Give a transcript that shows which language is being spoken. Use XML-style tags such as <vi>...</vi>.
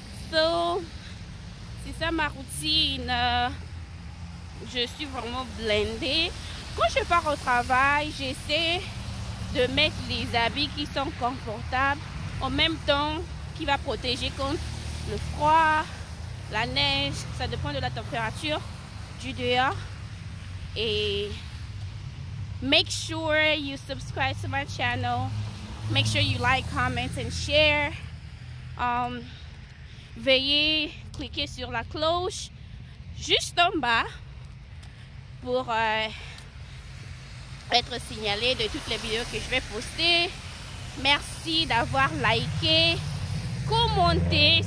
<fr>So, c'est ça ma routine. Je suis vraiment blindée. Quand je pars au travail, j'essaie de mettre les habits qui sont confortables, en même temps qui va protéger contre le froid, la neige. Ça dépend de la température du dehors.</fr> <en>Et make sure you subscribe to my channel. Make sure you like, comment and share.</en> <fr>Veuillez cliquer sur la cloche juste en bas pour être signalé de toutes les vidéos que je vais poster. Merci d'avoir liké, commenté.</fr>